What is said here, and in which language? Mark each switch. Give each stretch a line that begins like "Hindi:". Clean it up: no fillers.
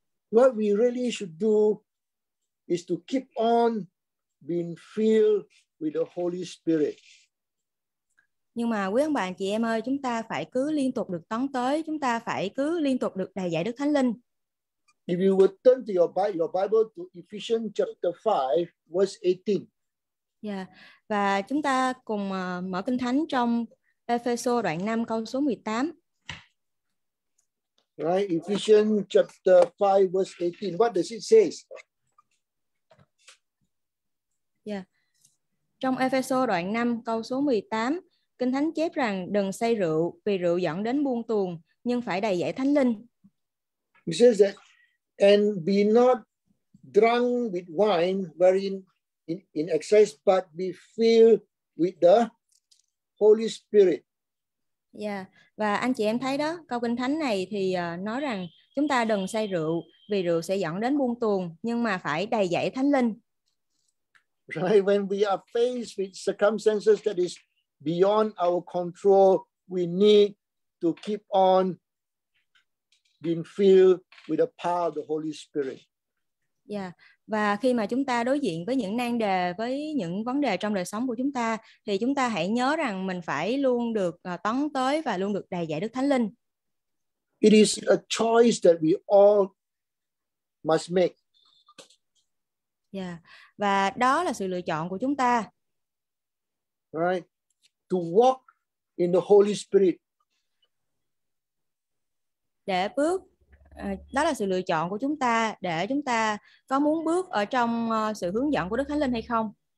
English: What we really should do is to keep on being filled with the Holy Spirit.
Vietnamese: Nhưng mà quý ông bà anh chị em ơi, chúng ta phải cứ liên tục được tấn tới, chúng ta phải cứ liên tục được đầy dạy Đức Thánh Linh.
English: If you would turn to your Bible to Ephesians chapter 5 verse 18. Yeah.
Vietnamese: Và chúng ta cùng mở Kinh Thánh trong Ephesians đoạn 5 câu số 18.
English: Right, Ephesians chapter 5 verse 18. What does it say? Yeah.
Vietnamese: Trong Ephesians đoạn 5 câu số 18, Kinh Thánh chép rằng đừng say rượu, vì rượu dẫn đến buông tuồng, nhưng phải đầy dạy Thánh Linh.
English: It says that and be not drunk with wine wherein in excess, but be filled with the Holy Spirit. Yeah.
Vietnamese: Và anh chị em thấy đó, câu Kinh Thánh này thì nói rằng chúng ta đừng say rượu, vì rượu sẽ dẫn đến buông tuồng, nhưng mà phải đầy dạy Thánh Linh.
English: Right, when we are faced with circumstances that is beyond our control, we need to keep on being filled with the power of the Holy Spirit. Yeah.
Vietnamese: Và khi mà chúng ta đối diện với những nan đề, với những vấn đề trong đời sống của chúng ta, thì chúng ta hãy nhớ rằng mình phải luôn được tấn tới và luôn được đầy dạy Đức Thánh Linh.
English: It is a choice that we all must make. Yeah.
Vietnamese: Và đó là sự lựa chọn của chúng ta.
English: Right. To walk in the Holy Spirit.
Vietnamese: Để bước, đó là sự lựa chọn của chúng ta, để chúng ta có muốn bước ở trong sự hướng dẫn của Đức Thánh Linh hay không.